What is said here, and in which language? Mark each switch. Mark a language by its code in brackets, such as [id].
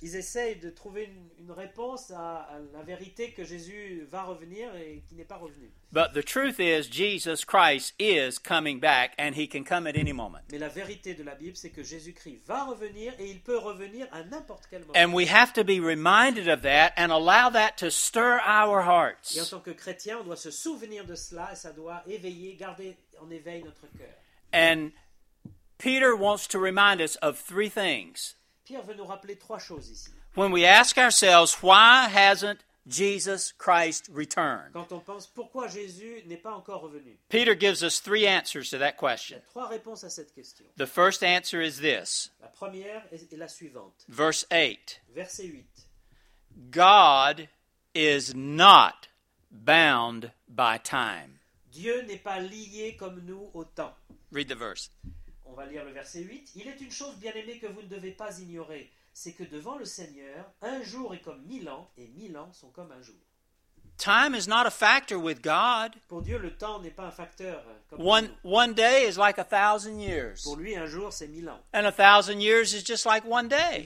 [fr] Ils essayent de trouver une réponse à la vérité que Jésus va revenir et qui n'est pas revenu. [en] But the truth is Jesus Christ is coming back and he can come at any moment. [fr] Mais la vérité de la Bible c'est que Jésus-Christ va revenir et il peut revenir à n'importe quel moment. [en] And we have to be reminded of that and allow that to stir our hearts. [fr] Et en tant que chrétien, on doit se souvenir de cela et ça doit éveiller, garder en éveil notre cœur. [en] And Peter wants to remind us of three things. [fr] Pierre veut nous rappeler trois choses ici. [en] When we ask ourselves, why hasn't Jesus Christ returned? [fr] Quand on pense, pourquoi Jésus n'est pas encore revenu? [en] Peter gives us three answers to that question. [fr] Il y a trois réponses à cette question. [en] The first answer is this. [fr] La première est la suivante. [en] Verse 8. [fr] Verset 8. [en] God is not bound by time. [fr] Dieu n'est pas lié comme nous au temps. [en] Read the verse. [fr] On va lire le verset 8. Il est une chose bien-aimée que vous ne devez pas ignorer, c'est que devant le Seigneur, un jour est comme 1000 ans et 1000 ans sont comme un jour. [en] Time is not a factor with God. [fr] Pour Dieu, le temps n'est pas un facteur comme [en] One day is like 1,000 years. [fr] Pour lui, un jour c'est 1000 ans. [en] And 1,000 years is just like one day.